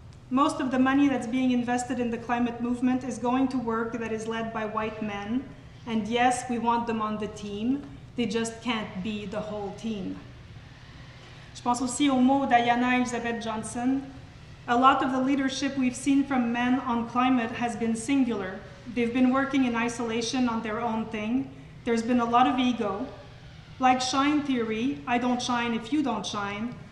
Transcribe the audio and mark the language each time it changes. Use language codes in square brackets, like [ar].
[en] Most of the money that's being invested in the climate movement is going to work that is led by white men. And yes, we want them on the team. They just can't be the whole team. [fr] Je pense aussi aux mots d'Ayanna Elizabeth Johnson. [en] A lot of the leadership we've seen from men on climate has been singular. They've been working in isolation on their own thing. There's been a lot of ego. Like shine theory, I don't shine if you don't shine.